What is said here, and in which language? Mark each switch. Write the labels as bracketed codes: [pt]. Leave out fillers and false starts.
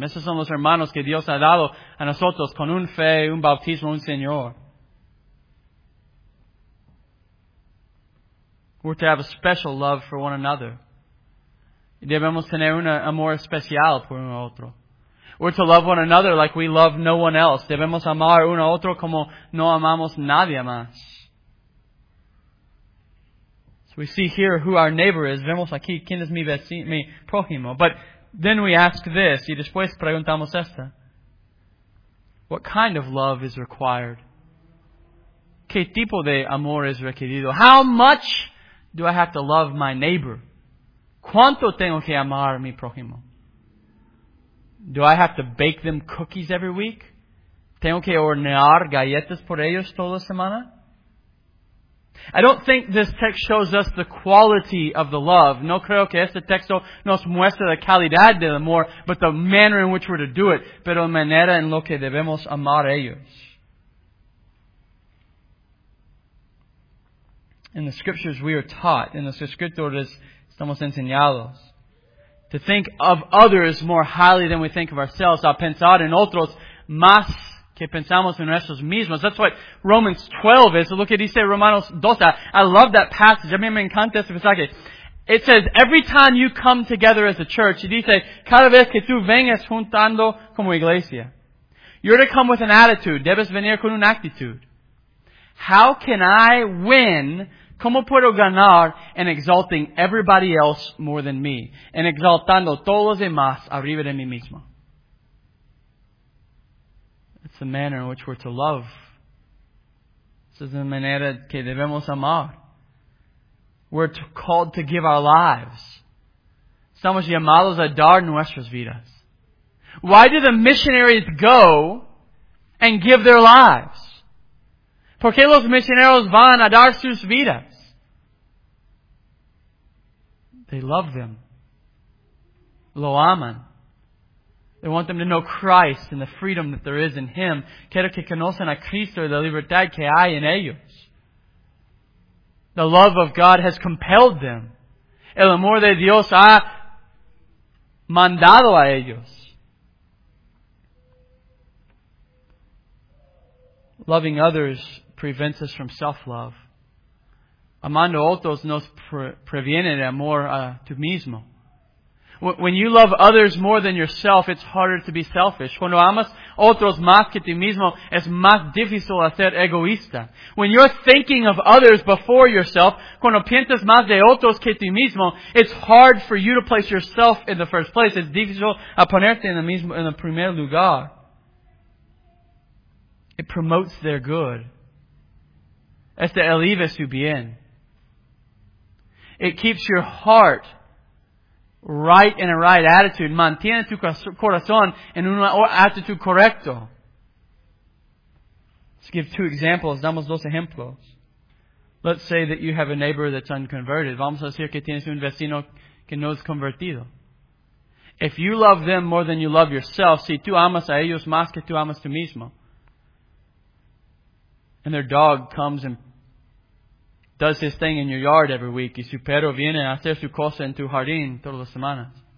[es] Esos son los hermanos que Dios ha dado a nosotros con un fe, un bautismo, un Señor. [en] We're to have a special love for one another. [es] Y debemos tener un amor especial por uno otro. [en] We're to love one another like we love no one else. [es] Debemos amar uno a otro como no amamos nadie más. [en] So we see here who our neighbor is. [es] Vemos aquí quién es mi vecino, mi prójimo. [en] But then we ask this, [es] y después preguntamos esta. [en] What kind of love is required? [es] ¿Qué tipo de amor es requerido? [en] How much do I have to love my neighbor? [es] ¿Cuánto tengo que amar mi prójimo? [en] Do I have to bake them cookies every week? [es] ¿Tengo que hornear galletas por ellos toda semana? [en] I don't think this text shows us the quality of the love. [es] No creo que este texto nos muestre la calidad del amor, [en] but the manner in which we're to do it. [es] Pero la manera en lo que debemos amar ellos. [en] In the scriptures we are taught, [es] in the escrituras estamos enseñados, [en] to think of others more highly than we think of ourselves. [es] A pensar en otros más que pensamos en nosotros mismos. [en] That's what Romans 12 is. Look at it, he says, Romanos 12. I love that passage. [es] A mí me encanta ese pasaje. [en] It says, every time you come together as a church, [es] he dice, cada vez que tú vengas juntando como iglesia, [en] you're to come with an attitude. [es] Debes venir con una actitud. [en] How can I win? [es] ¿Cómo puedo ganar en [en] exalting everybody else more than me? [es] En exaltando todos los demás arriba de mí mismo. [en] It's the manner in which we're to love. This is the [es] manera que debemos amar. [en] We're called to give our lives. Estamos llamados a dar nuestras vidas. Why do the missionaries go and give their lives? [es] ¿Por qué los misioneros van a dar sus vidas? [en] They love them. [es] Lo aman. [en] They want them to know Christ and the freedom that there is in Him. [es] Quiero que conozcan a Cristo y la libertad que hay en ellos. [en] The love of God has compelled them. [es] El amor de Dios ha mandado a ellos. [en] Loving others prevents us from self-love. [es] Amando otros nos previene de amor a tu mismo. [en] When you love others more than yourself, it's harder to be selfish. [es] Cuando amas otros más que tú mismo, es más difícil ser egoísta. [en] When you're thinking of others before yourself, [es] cuando piensas más de otros que tú mismo, [en] it's hard for you to place yourself in the first place. [es] Es difícil a ponerte en el mismo, en el primer lugar. [en] It promotes their good. [es] Este elevas su bien. [en] It keeps your heart [es] right in a right attitude. Mantiene tu corazón en una actitud correcta. [en] Let's give two examples. [es] Damos dos ejemplos. [en] Let's say that you have a neighbor that's unconverted. [es] Vamos a decir que tienes un vecino que no es convertido. [en] If you love them more than you love yourself, [es] si tú amas a ellos más que tú amas tú mismo, [en] and their dog comes and does his thing in your yard every week, [es] y su perro viene a hacer su cosa en tu jardín todas las semanas.